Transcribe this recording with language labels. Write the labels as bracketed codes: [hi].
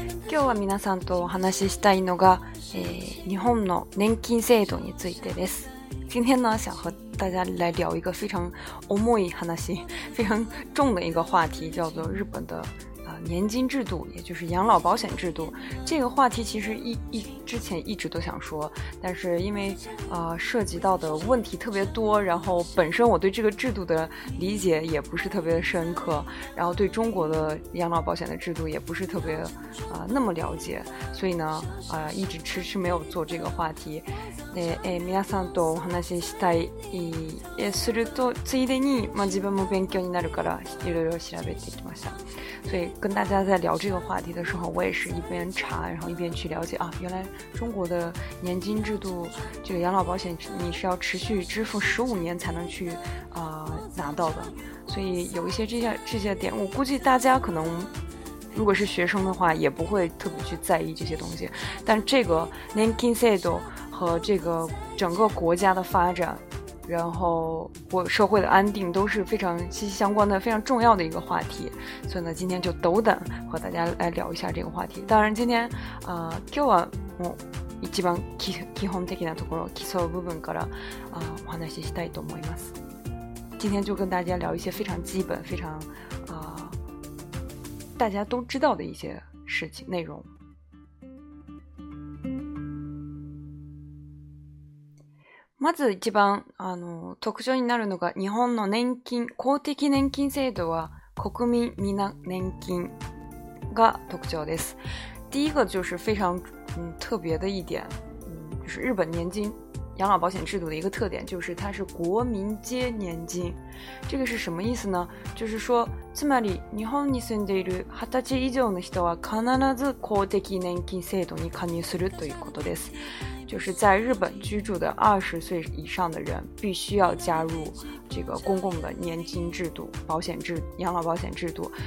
[ja] 今日は皆さんとお話ししたいのが、日本の年金制度についてです。 [zh] 今天呢想和大家来聊一个非常 [ja] 重い話， [zh] 非常重的一个话题，叫做日本的年金制度，也就是养老保险制度。这个话题其实之前一直都想说，但是因为涉及到的问题特别多，然后本身我对这个制度的理解也不是特别深刻，然后对中国的养老保险的制度也不是特别那么了解，所以呢一直迟迟没有做这个话题。 [ja] 皆さんとお話ししたいするとついでに、まあ、自分も勉強になるからいろいろ調べてきました。 [zh] 所以跟大家在聊这个话题的时候，我也是一边查然后一边去了解，原来中国的年金制度，这个养老保险你是要持续支付15年才能去拿到的。所以有一些这些点，我估计大家可能如果是学生的话也不会特别去在意这些东西，但这个年金制度和这个整个国家的发展，然后我社会的安定都是非常息息相关的，非常重要的一个话题。所以呢今天就斗胆和大家来聊一下这个话题。当然今天 [ja] 今日はもう一番基本的なところ、基礎部分からお話ししたいと思います。 [zh] 今天就跟大家聊一些非常基本、非常大家都知道的一些事情内容。 [ja] まず一番特徴になるのが、日本の年金、公的年金制度は国民皆年金が特徴です。 [zh] 第一个就是非常特别的一点，就是日本年金养老保险制度的一个特点，就是它是国民皆年金。这个是什么意思呢？就是说， [ja] つまり日本に住んでいる二十歳以上の人は必ず公的年金制度に加入するということです。 [zh] 就是在日本居住的20岁以上的人必须要加入这个公共的年金制度、保险制、养老保险制度。